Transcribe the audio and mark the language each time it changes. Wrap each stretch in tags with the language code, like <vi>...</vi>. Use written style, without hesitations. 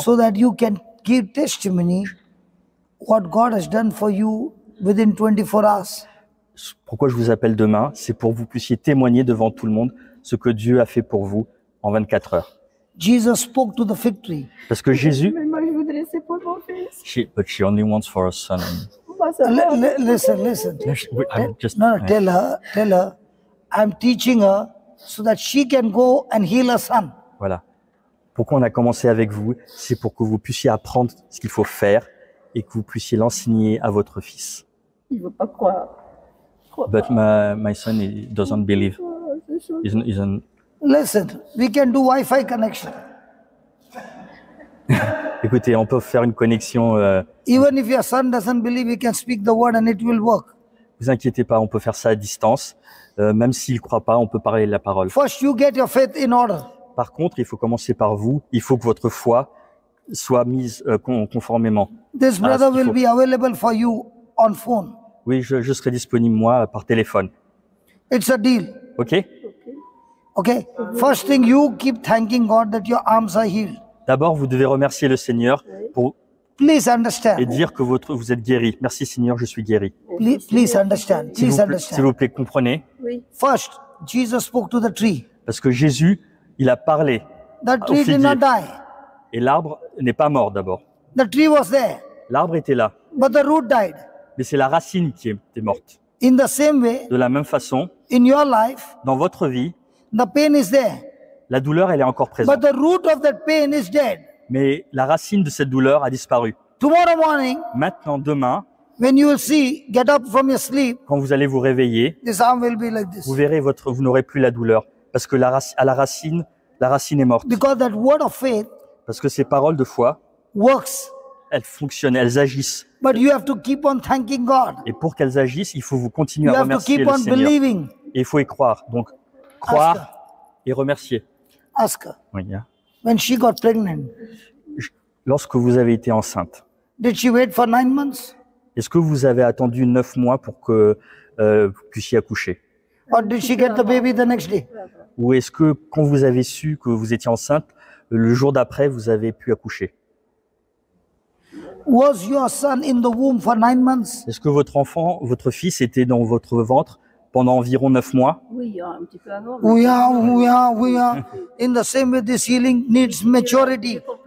<en>So that you can give testimony what God has done for you within 24 hours.</en> <fr>Pourquoi je vous appelle demain, c'est pour que vous puissiez témoigner devant tout le monde ce que Dieu a fait pour vous en 24 heures.</fr> <en>Jesus spoke to the fig tree.</en> <fr>Parce que Jésus. Mais moi, je voudrais c'est pour mon fils.</fr> <en>But she only wants for a son. Listen. Tell her. I'm teaching her so that she can go and heal her son.</en> <fr>Voilà. Pourquoi on a commencé avec vous, c'est pour que vous puissiez apprendre ce qu'il faut faire et que vous puissiez l'enseigner à votre fils. Il ne veut pas croire.</fr> <en>But my son doesn't believe. Isn't. Listen, we can do Wi-Fi connection.</en> <fr>Écoutez, on peut faire une connexion.</fr> <en>Even if your son doesn't believe, we can speak the word and it will work.</en> <fr>Vous inquiétez pas, on peut faire ça à distance. Même s'il croit pas, on peut parler la parole.</fr> <en>First, you get your faith in order.</en> <fr>Par contre, il faut commencer par vous. Il faut que votre foi soit mise conformément.</fr> <en>This brother will be available for you on phone.</en> <fr>Oui, je serai disponible moi par téléphone.</fr> <en>It's a deal. Okay. First thing, you keep thanking God that your arms are healed.</en> <fr>D'abord, vous devez remercier le Seigneur pour.</fr> <en>Please understand.</en> <fr>Et dire que vous êtes guéri. Merci Seigneur, je suis guéri.</fr> <en>Please understand. Please understand.</en> <fr>S'il vous plaît, comprenez. Oui.</fr> <en>First, Jesus spoke to the tree.</en> <fr>Parce que Jésus. Il a parlé.</fr> <en>The tree did not die.</en> <fr>Et l'arbre n'est pas mort d'abord.</fr> <en>The tree was there.</en> <fr>L'arbre était là.</fr> <en>But the root died.</en> <fr>Mais c'est la racine qui était morte.</fr> <en>In the same way,</en> <fr>de la même façon,</fr> <en>in your life,</en> <fr>dans votre vie,</fr> <en>the pain is there.</en> <fr>La douleur elle est encore présente.</fr> <en>But the root of that pain is dead.</en> <fr>Mais la racine de cette douleur a disparu.</fr> <en>Tomorrow morning,</en> <fr>maintenant, demain,</fr> <en>when you will see, get up from your sleep,</en> <fr>quand vous allez vous réveiller,</fr> <en>this arm will be like this.</en> <fr>Vous verrez, vous n'aurez plus la douleur. Parce que la racine est morte.</fr> <en>Because that word of faith,</en> <fr>parce que ces paroles de foi</fr> <en>works,</en> <fr>elles fonctionnent, elles agissent.</fr> <en>But you have to keep on thanking God.</en> <fr>Et pour qu'elles agissent, il faut vous continuer à remercier le Seigneur.</fr> <en>You have to keep on believing.</en> <fr>Et il faut y croire. Donc, croire et remercier.</fr> <en>Ask her.</en> <fr>Oui, yeah.</fr> <en>When she got pregnant.</en> <fr>Lorsque vous avez été enceinte.</fr> <en>Did she wait for 9 months?</en> <fr>Est-ce que vous avez attendu 9 mois pour que vous puissiez accoucher?</fr> <en>Or did she get the baby the next day?</en> <fr>Ou est-ce que quand vous avez su que vous étiez enceinte, le jour d'après, vous avez pu accoucher?</fr> <en>Was your son in the womb for 9 months?</en> <fr>Est-ce que votre enfant, votre fils, était dans votre ventre pendant environ 9 mois? Oui,</fr> <en>yeah,</en> <fr>un petit peu avant. Oui, oui, oui.</fr> <en>In the same way, this healing needs maturity.</en>